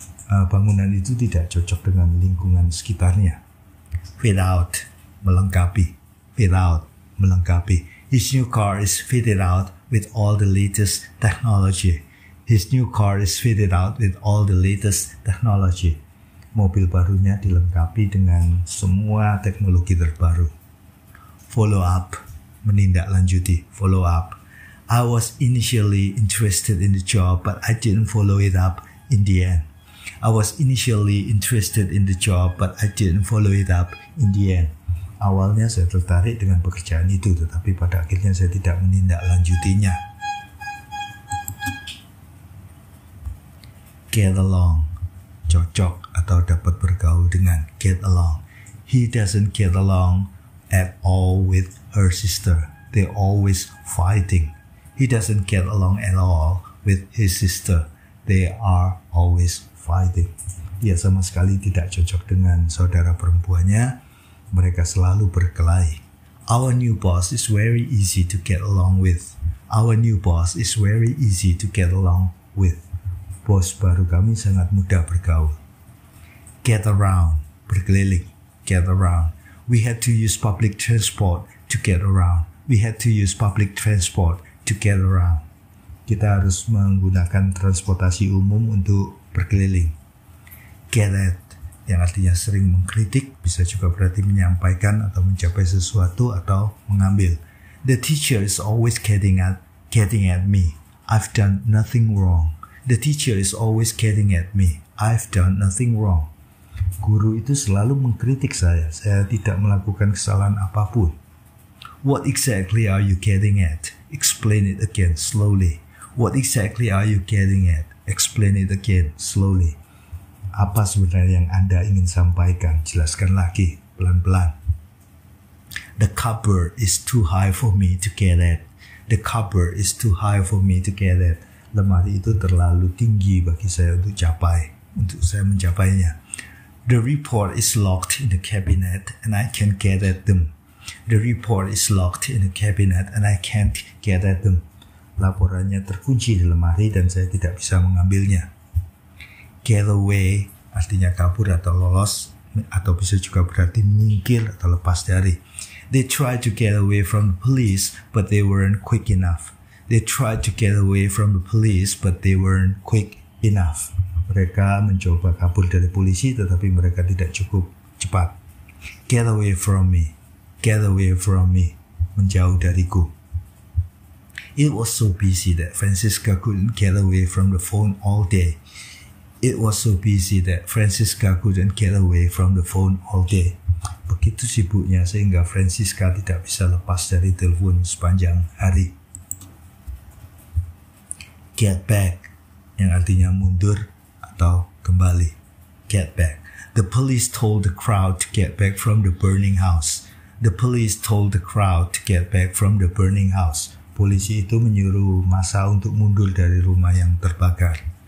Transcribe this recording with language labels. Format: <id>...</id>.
<id>bangunan itu tidak cocok dengan lingkungan sekitarnya. Fit out, melengkapi. Fit out, melengkapi.</id> <en>His new car is fitted out with all the latest technology. His new car is fitted out with all the latest technology.</en> <id>Mobil barunya dilengkapi dengan semua teknologi terbaru. Follow up, menindaklanjuti. Follow up.</id> <en>I was initially interested in the job, but I didn't follow it up in the end. I was initially interested in the job, but I didn't follow it up in the end.</en> <id>Awalnya saya tertarik dengan pekerjaan itu, tetapi pada akhirnya saya tidak menindaklanjutinya. Get along. Cocok atau dapat bergaul dengan.</id> <en>Get along. He doesn't get along at all with her sister. They're always fighting. He doesn't get along at all with his sister. They are always fighting.</en> <id>Dia sama sekali tidak cocok dengan saudara perempuannya. Mereka selalu berkelahi.</id> <en>Our new boss is very easy to get along with. Our new boss is very easy to get along with.</en> <id>Bos baru kami sangat mudah bergaul. Get around. Berkeliling. Get around.</id> <en>We had to use public transport to get around. We had to use public transport to get around.</en> <id>Kita harus menggunakan transportasi umum untuk berkeliling. Get at. Yang artinya sering mengkritik, bisa juga berarti menyampaikan atau mencapai sesuatu atau mengambil.</id> <en>The teacher is always getting at me. I've done nothing wrong. The teacher is always getting at me. I've done nothing wrong.</en> <id>Guru itu selalu mengkritik saya. Saya tidak melakukan kesalahan apapun.</id> <en>What exactly are you getting at? Explain it again slowly. What exactly are you getting at? Explain it again slowly.</en> <id>Apa sebenarnya yang Anda ingin sampaikan? Jelaskan lagi, pelan-pelan.</id> <en>The cupboard is too high for me to get at. The cupboard is too high for me to get at.</en> <id>Lemari itu terlalu tinggi bagi saya untuk saya mencapainya.</id> <en>The report is locked in the cabinet and I can't get at them. The report is locked in the cabinet and I can't get at them.</en> <id>Laporannya terkunci di lemari dan saya tidak bisa mengambilnya. Get away, artinya kabur atau lolos, atau bisa juga berarti menyingkir atau lepas dari.</id> <en>They tried to get away from the police, but they weren't quick enough. They tried to get away from the police, but they weren't quick enough.</en> <id>Mereka mencoba kabur dari polisi, tetapi mereka tidak cukup cepat.</id> <en>Get away from me. Get away from me.</en> <id>Menjauh dariku.</id> <en>It was so busy that Francisca couldn't get away from the phone all day. It was so busy that Francisca couldn't get away from the phone all day.</en> <id>Begitu sibuknya sehingga Francisca tidak bisa lepas dari telepon sepanjang hari. Get back, yang artinya mundur atau kembali. Get back.</id> <en>The police told the crowd to get back from the burning house. The police told the crowd to get back from the burning house.</en> <id>Polisi itu menyuruh massa untuk mundur dari rumah yang terbakar.</id>